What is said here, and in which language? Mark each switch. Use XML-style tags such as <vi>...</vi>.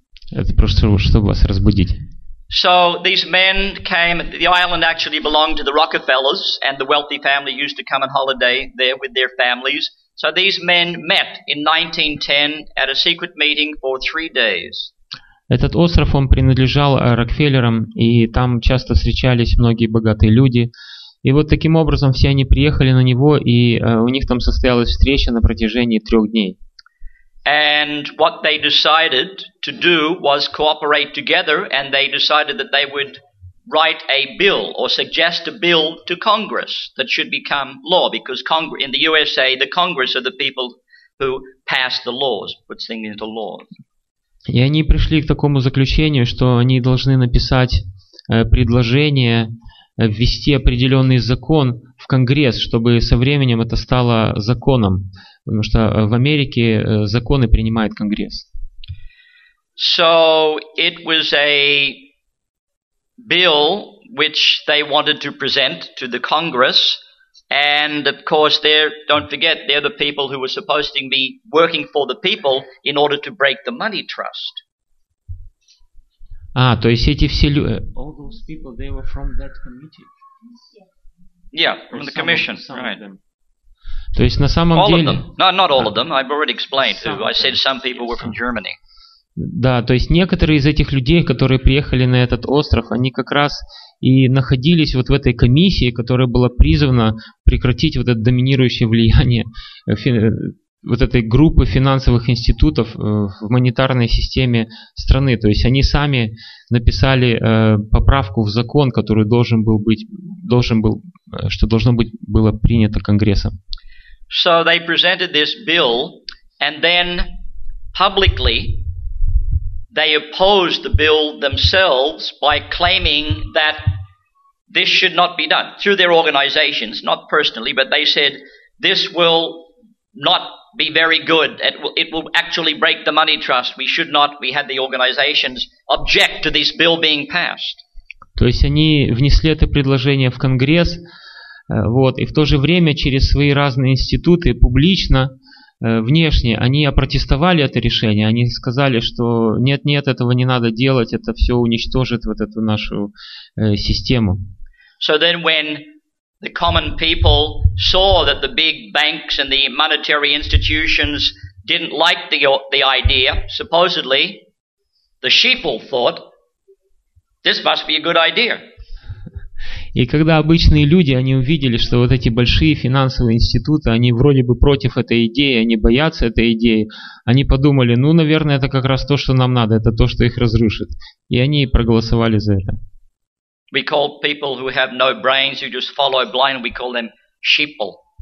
<ru>Это просто, чтобы вас разбудить.</ru> <en>So these men came, the island actually belonged to the Rockefellers, and the wealthy family used to come on holiday there with their families. So these men met in 1910 at a secret meeting for 3 days.</en> <ru>Этот остров, он принадлежал Рокфеллерам, и там часто встречались многие богатые люди. И вот таким образом все они приехали на него, и у них там состоялась встреча на протяжении 3 дней.</ru> <en>And what they decided to do was cooperate together, and they decided that they would write a bill or suggest a bill to Congress that should become law, because in the USA, the Congress are the people who pass the laws, puts things into law.</en> <ru>И они пришли к такому заключению, что они должны написать предложение ввести определенный закон в Конгресс, чтобы со временем это стало законом, потому что в Америке законы принимает Конгресс.</ru> <en>So it was a bill which they wanted to present to the Congress, and of course they're the people who were supposed to be working for the people in order to break the money trust.</en> <ru>То есть эти все люди,</ru> <en>all those people, they were from that committee. Yeah, from the commission, right.</en> <ru>То есть на самом</ru> <en>all</en> <ru>деле</ru> <en>of them. No, not all of them, I've already explained who I said some people were from Germany.</en> <ru>Да, то есть некоторые из этих людей, которые приехали на этот остров, они как раз и находились вот в этой комиссии, которая была призвана прекратить вот это доминирующее влияние вот этой группы финансовых институтов в монетарной системе страны. То есть они сами написали поправку в закон, который должно было быть принято Конгрессом.</ru> <en>So they presented this bill, and then publicly they opposed the bill themselves by claiming that this should not be done through their organizations, not personally, but they said this will not be very good. It will actually break the money trust. We had the organizations object to this bill being passed.</en> <ru>То есть они внесли это предложение в Конгресс, Вот. И в то же время через свои разные институты публично, внешне, они опротестовали это решение. Они сказали, что нет-нет, этого не надо делать, это все уничтожит вот эту нашу систему.</ru> <en>So then when the common people saw that the big banks and the monetary institutions didn't like the idea, supposedly, the sheeple thought, this must be a good idea.</en> <ru>И когда обычные люди, они увидели, что вот эти большие финансовые институты, они вроде бы против этой идеи, они боятся этой идеи, они подумали, ну, наверное, это как раз то, что нам надо, это то, что их разрушит. И они проголосовали за это.</ru> <en>We call people who have no brains, who just follow blind, we call them sheeple.</en>